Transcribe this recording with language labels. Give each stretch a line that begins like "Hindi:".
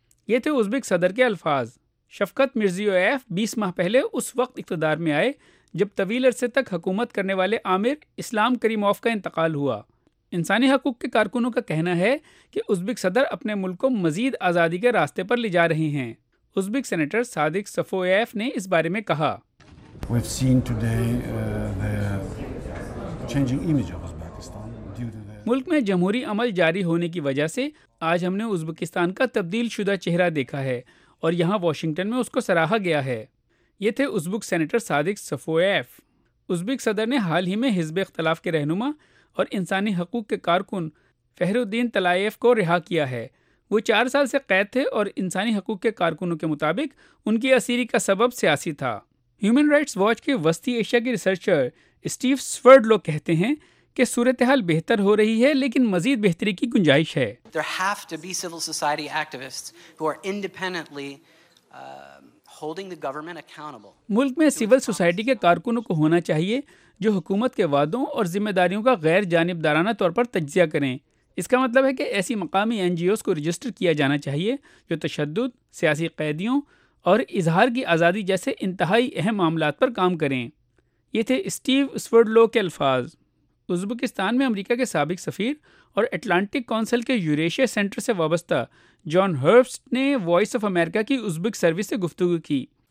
Urdu: یہ تھے ازبک صدر کے الفاظ. شفقت مرزیویف 20 ماہ پہلے اس وقت اقتدار میں آئے جب طویل عرصے تک حکومت کرنے والے عامر اسلام کریموف کا انتقال ہوا. انسانی حقوق کے کارکنوں کا کہنا ہے کہ ازبک صدر اپنے ملک کو مزید آزادی کے راستے پر لے جا رہے ہیں. ازبک سینیٹر صادق صفویف نے اس بارے میں کہا.
English: We've seen today, the changing image of Uzbekistan due to the...
Urdu: ملک میں جمہوری عمل جاری ہونے کی وجہ سے آج ہم نے ازبکستان کا تبدیل شدہ چہرہ دیکھا ہے اور یہاں واشنگٹن میں اس کو سراہا گیا ہے. یہ تھے ازبک سینیٹر صادق صفویف. ازبک صدر نے حال ہی میں حزب اختلاف کے رہنما اور انسانی حقوق کے کارکن فہر الدین طلائف کو رہا کیا ہے. وہ 4 سال سے قید تھے اور انسانی حقوق کے کارکنوں کے مطابق ان کی اسیری کا سبب سیاسی تھا. ہیومن رائٹس واچ کے وسطی ایشیا کے ریسرچر اسٹیو سورڈ لو کہتے ہیں کہ صورتحال بہتر ہو رہی ہے لیکن مزید بہتری کی گنجائش ہے.
English: There have to be civil society activists who are independently holding the government accountable.
Urdu: ملک میں سول سوسائٹی کے کارکنوں کو ہونا چاہیے جو حکومت کے وعدوں اور ذمہ داریوں کا غیر جانبدارانہ طور پر تجزیہ کریں. اس کا مطلب ہے کہ ایسی مقامی این جی اوز کو رجسٹر کیا جانا چاہیے جو تشدد، سیاسی قیدیوں اور اظہار کی آزادی جیسے انتہائی اہم معاملات پر کام کریں۔ یہ تھے اسٹیو اسورڈلو کے الفاظ۔ ازبکستان میں امریکہ کے سابق سفیر اور اٹلانٹک کونسل کے یوریشیا سینٹر سے وابستہ جان ہربسٹ نے وائس آف امریکہ کی ازبک سروس سے گفتگو کی۔